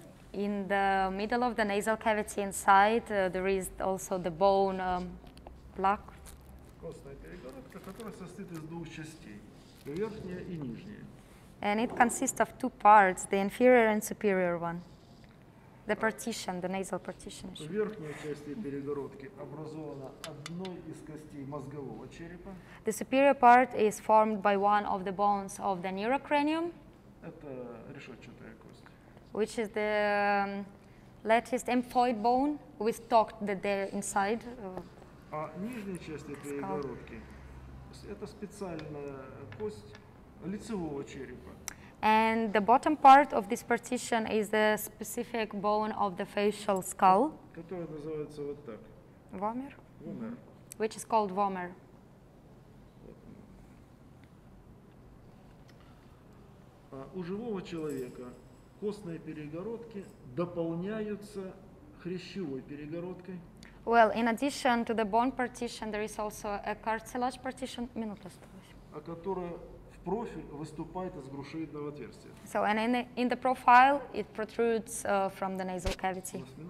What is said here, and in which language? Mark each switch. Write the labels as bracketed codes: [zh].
[en] In the middle of the nasal cavity inside, there is also the bone plaque. [ru] Костная перегородка, которая состоит из двух частей, верхняя и нижняя. [en] And it consists of two parts, the inferior and superior one. The partition, the nasal partition. [ru] В верхней части перегородки образована одной из костей мозгового черепа. [en] The superior part is formed by one of the bones of the neurocranium. [ru] Это решетчатая кость. [en] Which is the latticed emphoid bone with talk that there inside. [ru] А нижняя часть перегородки – это специальная кость лицевого черепа. [en] And the bottom part of this partition is the specific bone of the facial skull. [ru] Которая называется вот так. [en] Vomer. Vomer. Which is called vomer. [ru] У живого человека костные перегородки дополняются хрящевой перегородкой. [en] Well, in addition to the bone partition, there is also a cartilage partition. [ru] Минута осталось. А которая профиль выступает из грушевидного отверстия. [en] So and in the profile it protrudes from the nasal cavity.